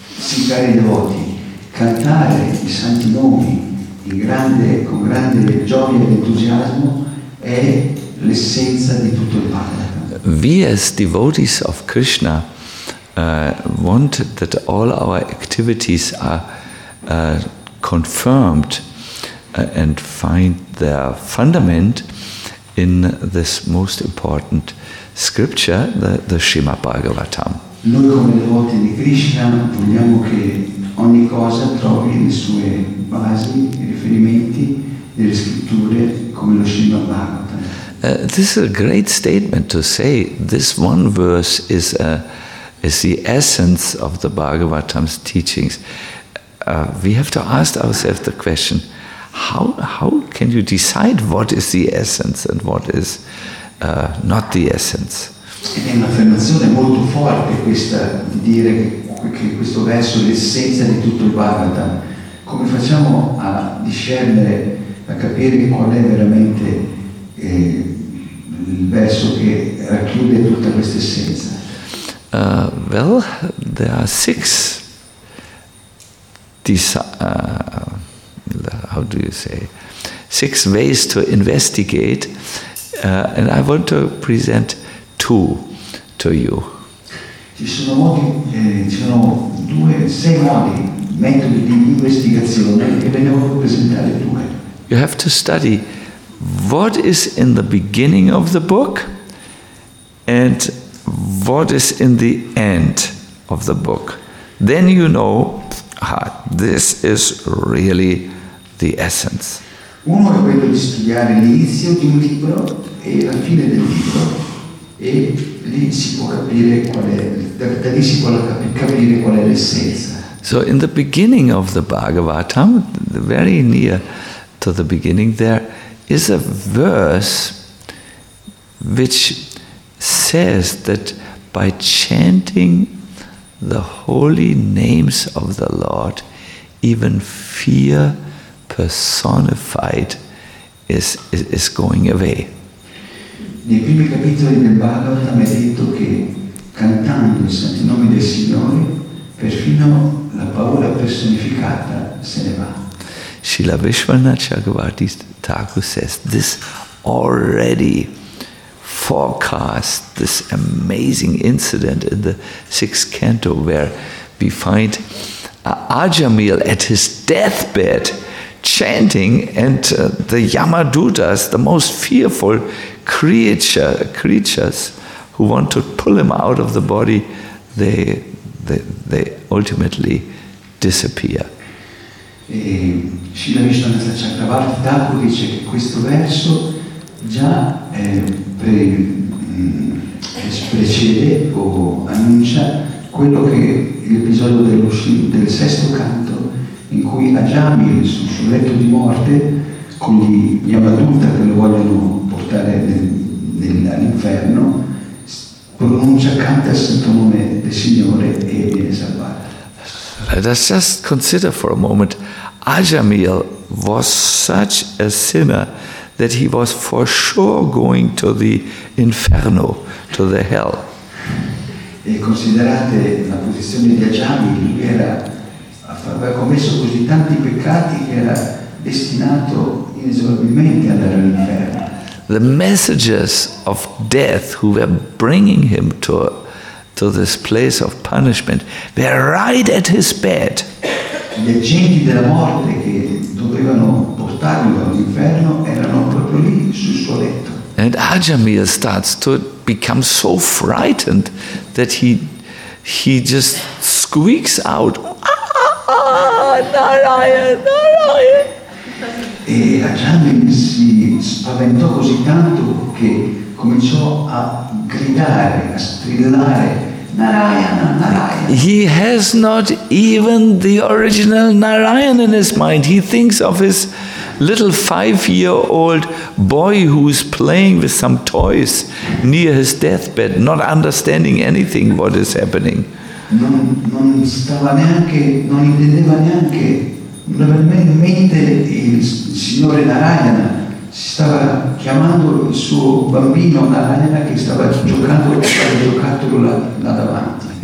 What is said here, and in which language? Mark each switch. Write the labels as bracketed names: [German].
[Italian] Sì, cari devoti, cantare i santi nomi in grande, con grande gioia ed entusiasmo è l'essenza di tutto il Bhagavatam. [English] We as devotees of Krishna want that all our activities are confirmed and find their fundament in this most important scripture, the Srimad Bhagavatam. [Italian] Noi come devoti di Krishna vogliamo che ogni cosa trovi le sue basi, i riferimenti delle scritture come lo Srimad Bhagavatam. [English] This is a great statement to say. This one verse is the essence of the Bhagavatam's teachings. We have to ask ourselves the question, how can you decide what is the essence and what is not the essence? [Italian] È un'affermazione molto forte questa di dire che questo verso è l'essenza di tutto il Bhagavatam. Come facciamo a discernere, a capire qual è veramente il verso che racchiude tutta questa essenza? [English] Well, there are six how do you say six ways to investigate, and I want to present two to you. [Italian] Ci sono modi, ci sono due, sei modi, metodi di investigazione, e ve ne voglio presentare due. [English] You have to study what is in the beginning of the book and what is in the end of the book. Then you know, this is really the essence. [Italian] Uno è quello di studiare l'inizio di un libro e la fine del libro, e lì si può capire qual è, da lì si può capire qual è l'essenza. [English] So in the beginning of the Bhagavatam, very near to the beginning, there is a verse which says that by chanting the holy names of the Lord, even fear personified is going away. [Italian] Nei primi capitoli del Bhagavatam è detto che cantando i santi nomi del Signore, perfino la paura personificata se ne va. [English] Srila Vishwanath Chakravarti Thakur says this already forecast this amazing incident in the sixth canto where we find Ajamil at his deathbed chanting, and the Yamadutas, the most fearful creatures who want to pull him out of the body, they ultimately disappear. [Italian] Srila Vishwanath Chakravarti Thakur dice che questo verso già precede o annuncia quello che l'episodio del sesto canto, in cui Ajamil sul letto di morte con gli Yamadutta che lo vogliono portare all'inferno pronuncia, canta il santo nome del Signore e viene salvato. [English] Let's just consider for a moment. Ajamil was such a sinner that he was for sure going to the inferno, to the hell. [Italian] E considerate la posizione di Ajamil, aveva commesso così tanti peccati che era destinato inesorabilmente ad andare all'inferno. [English] The messengers of death who were bringing him to this place of punishment were right at his bed. [Italian] Gli agenti della morte che dovevano portarlo all'inferno erano proprio lì sul suo letto. [English] And Ajamil starts to become so frightened that he just squeaks out, Narayan, Narayan. [Italian] E Ajamil si spaventò così tanto che cominciò a gridare, a strillare, Narayana. [English] He has not even the original Narayan in his mind. He thinks of his little five-year-old boy who is playing with some toys near his deathbed, not understanding anything what is happening. [Italian] Non stava neanche, non intendeva neanche, non in mente il signore Narayana. Si stava chiamando il suo bambino Narayana che stava giocando con il giocattolo là davanti.